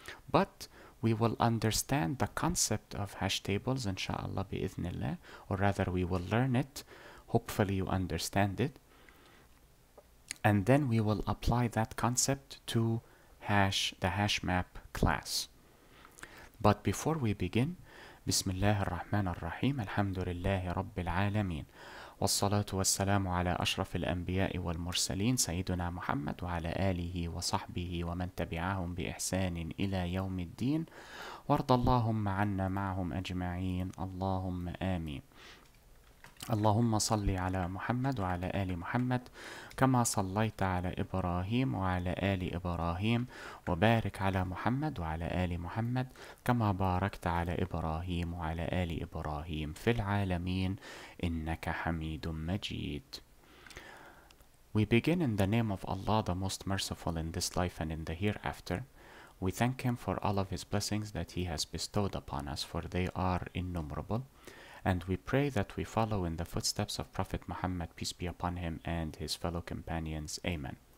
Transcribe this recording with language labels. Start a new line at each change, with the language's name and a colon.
English: But we will understand the concept of hash tables, inshallah, bi-ithnillah, or rather we will learn it. Hopefully you understand it. And then we will apply that concept to hash, the hash map class. But before we begin,
Arabic: بسم الله الرحمن الرحيم الحمد لله رب العالمين والصلاة والسلام على أشرف الأنبياء والمرسلين سيدنا محمد وعلى آله وصحبه ومن تبعهم بإحسان إلى يوم الدين وارض اللهم عنا معهم أجمعين اللهم آمين اللهم صل على محمد وعلى آل محمد كما صليت على إبراهيم وعلى آل إبراهيم وبارك على محمد وعلى آل محمد كما باركت على إبراهيم وعلى آل إبراهيم في العالمين إنك حميد مجيد.
English: We begin in the name of Allah, the most merciful in this life and in the hereafter. We thank Him for all of His blessings that He has bestowed upon us, for they are innumerable. And we pray that we follow in the footsteps of Prophet Muhammad, peace be upon him, and his fellow companions. Amen.